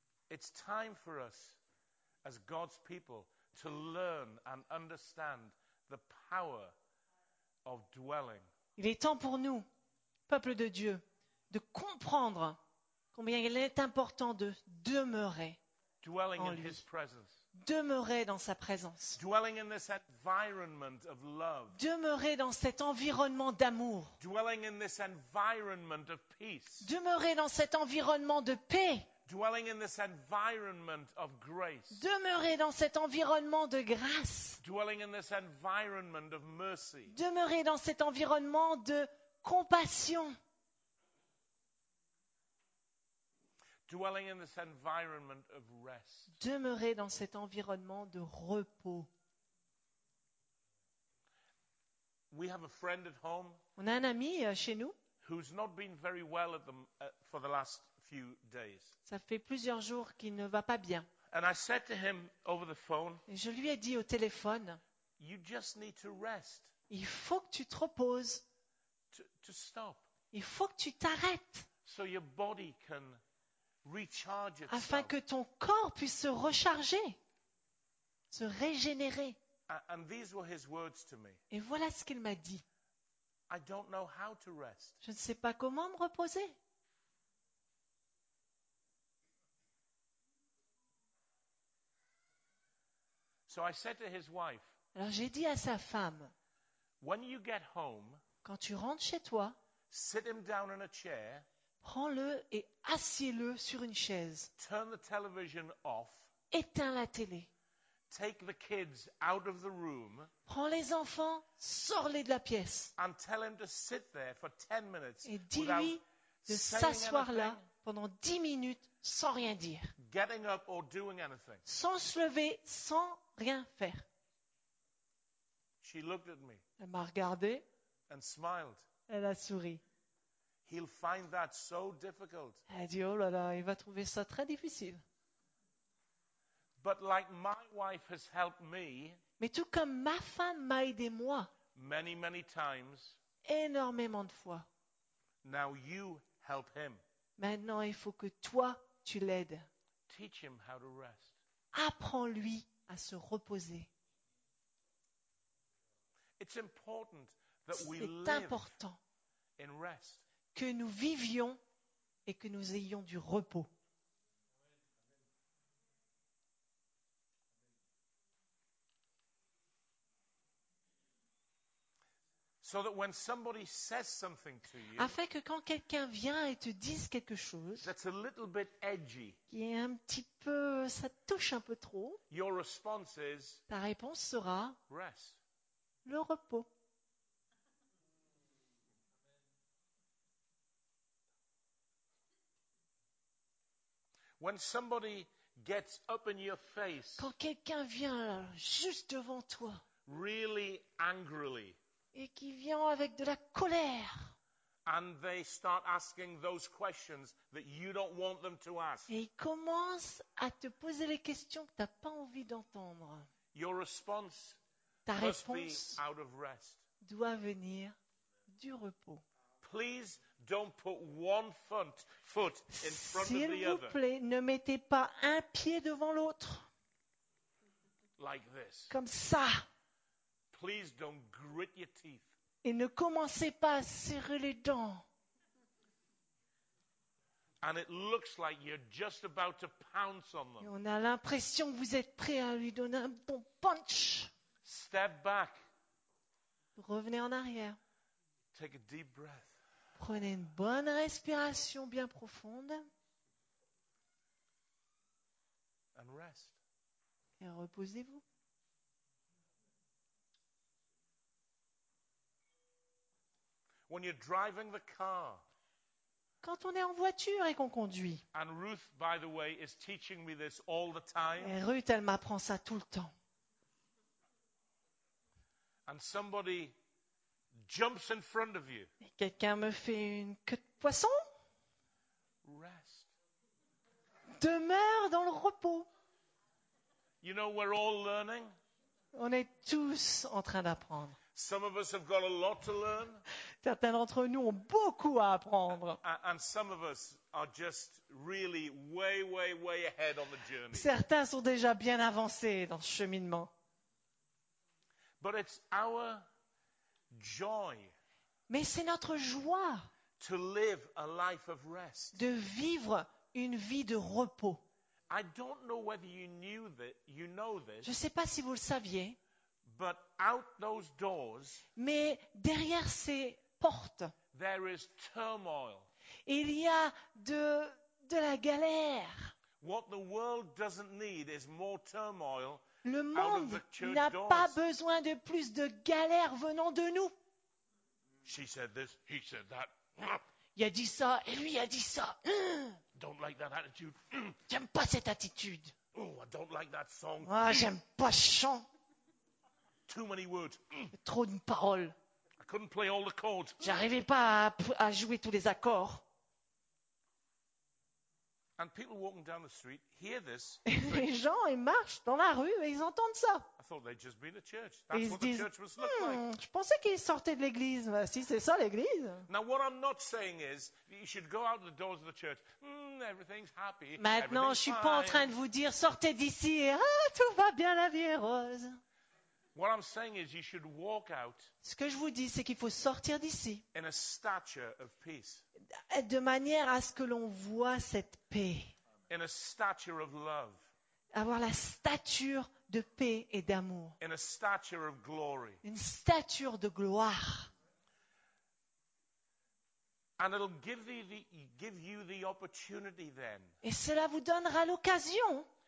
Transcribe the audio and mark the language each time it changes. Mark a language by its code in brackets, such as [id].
[en] It's time for us as God's people to learn and understand the power of dwelling. [fr] Il est temps pour nous, peuple de Dieu, de comprendre combien il est important de demeurer [en] dwelling [fr] en lui, [en] in his presence. [fr] Demeurer dans sa présence. [en] Dwelling in this environment of love. [fr] Demeurer dans cet environnement d'amour. [en] Dwelling in this environment of peace. [fr] Demeurer dans cet environnement de paix. [en] Dwelling in this environment of grace. [fr] Demeurer dans cet environnement de grâce. [en] Dwelling in this environment of mercy. [fr] Demeurer dans cet environnement de compassion. [en] Dwelling in this environment of rest. [fr] Demeurer dans cet environnement de repos. [en] We have a friend at home. [fr] On a un ami chez nous. [en] Who's not been very well at for the last few days. [fr] Ça fait plusieurs jours qu'il ne va pas bien. [en] And I said to him over the phone, [fr] et je lui ai dit au téléphone, [en] you just need to rest. [fr] Il faut que tu te reposes. [en] To stop. [fr] Il faut que tu t'arrêtes. [en] So your body can recharge itself. [fr] Afin que ton corps puisse se recharger, se régénérer. [en] And these were his words to me. [fr] Et voilà ce qu'il m'a dit. [en] I don't know how to rest. [fr] Je ne sais pas comment me reposer. [en] So I said to his wife, [fr] alors j'ai dit à sa femme, [en] when you get home, [fr] quand tu rentres chez toi, [en] sit him down in a chair, [fr] prends-le et assieds-le sur une chaise. [en] Turn the television off, [fr] éteins la télé. [en] Take the kids out of the room, [fr] prends les enfants, sors-les de la pièce. [en] And tell him to sit there for 10 minutes [fr] et dis-lui de s'asseoir là pendant 10 minutes sans rien dire. [en] Getting up or doing anything. [fr] Sans se lever, sans rien faire. [en] She looked at me. [fr] Elle m'a regardé. [en] And smiled. [fr] Elle a souri. [en] He'll find that so difficult. [fr] Elle a dit, oh là là, il va trouver ça très difficile. [en] But like my wife has helped me, [fr] mais tout comme ma femme m'a aidé moi, [en] many, many times, [fr] énormément de fois, [en] now you help him. [fr] Maintenant, il faut que toi, tu l'aides. [en] Teach him how to rest. [fr] Apprends-lui à se reposer. [en] It's important that [fr] c'est [en] we live [fr] important [en] in rest. [fr] Que nous vivions et que nous ayons du repos. [en] Amen. So that when somebody says something to you, [fr] afin que quand quelqu'un vient et te dise quelque chose, [en] that's a little bit edgy, [fr] qui est un petit peu, ça touche un peu trop, [en] your response is, [fr] ta réponse sera [en] rest. [fr] Le repos. [en] When somebody gets up in your face, [fr] quand quelqu'un vient là, juste devant toi, [en] really angrily, [fr] et qui vient avec de la colère, [en] and they start asking those questions that you don't want them to ask, [fr] et ils commencent à te poser les questions que tu n'as pas envie d'entendre, [en] your response, [fr] ta réponse [en] must be out of rest, [fr] doit venir du repos. [en] Please don't put one foot in front [fr] S'il [en] of the [fr] vous plaît, [en] other. [fr] Ne mettez pas un pied devant l'autre. [en] Like this. [fr] Comme ça. [en] Please don't grit your teeth. [fr] Et ne commencez pas à serrer les dents. [en] And it looks like you're just about to pounce on them. [fr] Et on a l'impression que vous êtes prêt à lui donner un bon punch. [en] Step back. [fr] Revenez en arrière. [en] Take a deep breath. [fr] Prenez une bonne respiration bien profonde [en] and rest. [fr] Et reposez-vous. [en] When you're driving the car, [fr] quand on est en voiture et qu'on conduit, [en] and Ruth, by the way, is teaching me this all the time, [fr] et Ruth, elle m'apprend ça tout le temps. [en] And somebody jumps in front of you. [fr] Et quelqu'un me fait une queue de poisson. [en] Rest. [fr] Demeure dans le repos. [en] You know, we're all learning. [fr] On est tous en train d'apprendre. [en] Some of us have got a lot to learn. [fr] Certains d'entre nous ont beaucoup à apprendre. [en] And some of us are just really way, way, way ahead on the journey. [fr] Certains sont déjà bien avancés dans ce cheminement. [en] But it's our joy. [fr] Mais c'est notre joie [en] to live a life of rest. [fr] De vivre une vie de repos. [en] I don't know whether you knew that, you know this, [fr] je ne sais pas si vous le saviez, [en] but out those doors, [fr] mais derrière ces portes, [en] there is turmoil. [fr] Il y a de la galère. [en] What the world doesn't need is more turmoil. [fr] Le monde n'a pas besoin de plus de galères venant de nous. [en] She said this, he said that. [fr] Il a dit ça et lui a dit ça. [en] Don't like that attitude. [fr] J'aime pas cette attitude. [en] Oh, I don't like that song. [fr] Ah, j'aime pas ce chant. [en] Too many words. [fr] Trop de paroles. [en] I couldn't play all the chords. [fr] J'arrivais pas à jouer tous les accords. [en] And people walking down the street hear this. [fr] Les gens, ils marchent dans la rue et ils entendent ça. [en] I thought they'd just been to church. That's what [fr] disent, [en] the church must look like. [fr] Je pensais qu'ils sortaient de l'église. Ben, si c'est ça l'église. [en] Now what I'm not saying is you should go out the doors of the church. Everything's happy. [fr] Maintenant, [en] everything's [fr] je suis pas en train de vous dire sortez d'ici et ah tout va bien, la vie est rose. [en] What I'm saying is you should walk out. [fr] Ce que je vous dis, c'est qu'il faut sortir d'ici. [en] In a stature of peace. [fr] De manière à ce que l'on voit cette paix. [en] In a stature of love. [fr] Avoir la stature de paix et d'amour. [en] In a stature of glory. [fr] Une stature de gloire. [en] And it'll give you the opportunity then. [fr] Et cela vous donnera l'occasion.